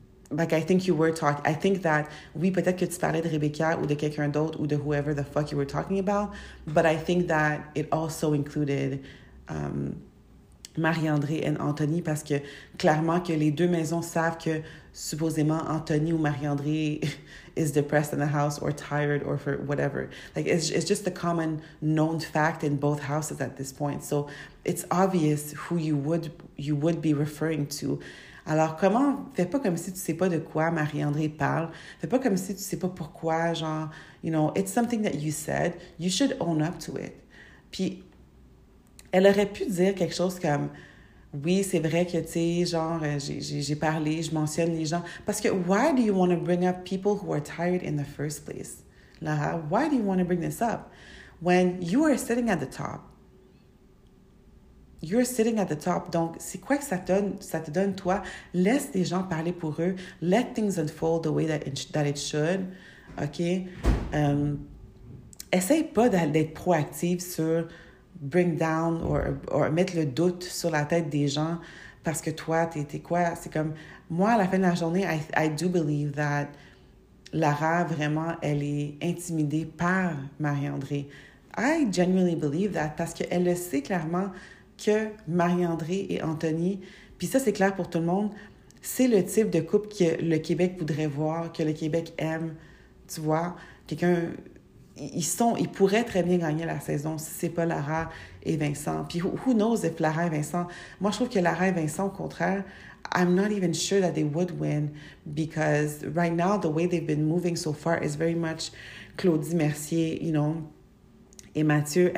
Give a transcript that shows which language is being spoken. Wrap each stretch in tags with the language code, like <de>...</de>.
<en>Like, I think you were talking... I think that,</en> <fr>oui, peut-être que tu parlais de Rebecca ou de quelqu'un d'autre ou de</fr> <en>whoever the fuck you were talking about, but I think that it also included Marie-André and Anthony</en> <fr>parce que, clairement, que les deux maisons savent que, supposément, Anthony ou Marie-André</fr> <en>is depressed in the house or tired or for whatever. Like, it's just a common known fact in both houses at this point. So, it's obvious who you would be referring to.</en> <fr>Alors, comment... Fais pas comme si tu sais pas de quoi Marie-André parle. Fais pas comme si tu sais pas pourquoi, genre...</fr> <en>You know, it's something that you said. You should own up to it.</en> <fr>Puis, elle aurait pu dire quelque chose comme... Oui, c'est vrai que, tu sais, genre, j'ai parlé, je mentionne les gens. Parce que,</fr> <en>why do you want to bring up people who are tired in the first place? Lara, why do you want to bring this up? When you are sitting at the top. You're sitting at the top.</en> <fr>Donc, c'est quoi que ça te donne, toi? Laisse les gens parler pour eux.</fr> <en>Let things unfold the way that it should. OK?</en> <fr>Essaye pas d'être proactive sur</fr> <en>bring down</en> <fr>or mettre le doute sur la tête des gens parce que toi, t'es quoi? C'est comme, moi, à la fin de la journée,</fr> <en>I do believe that</en> <fr>Lara, vraiment, elle est intimidée par Marie-André.</fr> <en>I genuinely believe that</en> <fr>parce qu'elle le sait clairement que Marie-André et Anthony, puis ça, c'est clair pour tout le monde, c'est le type de couple que le Québec voudrait voir, que le Québec aime, tu vois. Quelqu'un, ils pourraient très bien gagner la saison si c'est pas Lara et Vincent.</fr> <en>Puis who knows if Lara et Vincent...</en> <fr>Moi, je trouve que Lara et Vincent, au contraire,</fr> <en>I'm not even sure that they would win because right now, the way they've been moving so far is very much Claudie Mercier, you know, et Mathieu.</en>